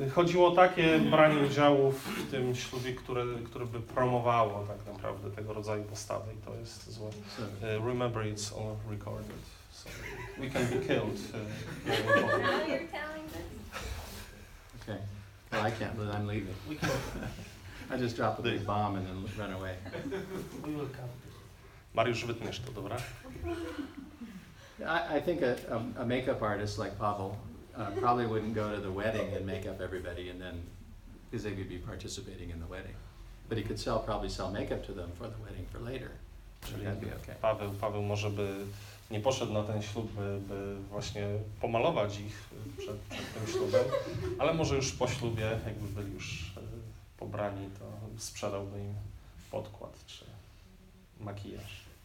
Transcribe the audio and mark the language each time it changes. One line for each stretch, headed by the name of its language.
Polish: Chodziło o takie branie udziału w tym ślubie, które by promowało tak naprawdę tego rodzaju postawy, i to jest złe.
English: Remember, it's all recorded. So we can be killed. Now you're telling this. Okay. Well, I can't, but I'm leaving. We can. I just drop a big bomb and then run away. We will come.
Polish: Mariusz, wytniesz to, dobra?
English: I think a makeup artist like Pavel probably wouldn't go to the wedding and make up everybody and then because they could be participating in the wedding. But he could probably sell makeup to them for the wedding for later. Czyli that'd be okay.
Polish: Paweł może by nie poszedł na ten ślub, by właśnie pomalować ich przed tym ślubem, ale może już po ślubie, jakby byli już pobrani, to sprzedałby im podkład czy makijaż.